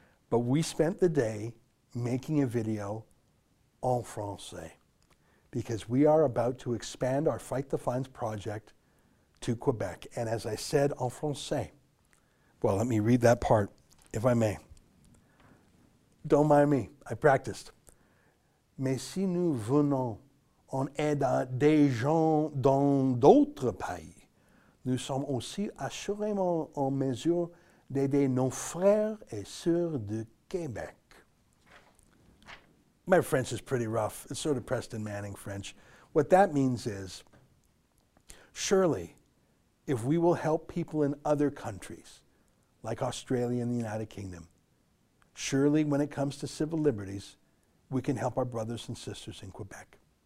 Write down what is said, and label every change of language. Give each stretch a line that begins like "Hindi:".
English: But we spent the day making a video en français because we are about to expand our Fight the Fines project to Quebec. And as I said, en français. Well, let me read that part, if I may. Don't mind me. I practiced.
French: Mais si nous venons en aide à des gens dans d'autres pays, nous sommes aussi assurément en mesure d'aider nos frères et sœurs du Québec.
English: My French is pretty rough. It's sort of Preston Manning French. What that means is, surely, if we will help people in other countries, like Australia and the United Kingdom, surely when it comes to civil liberties, we can help our brothers and sisters in Quebec.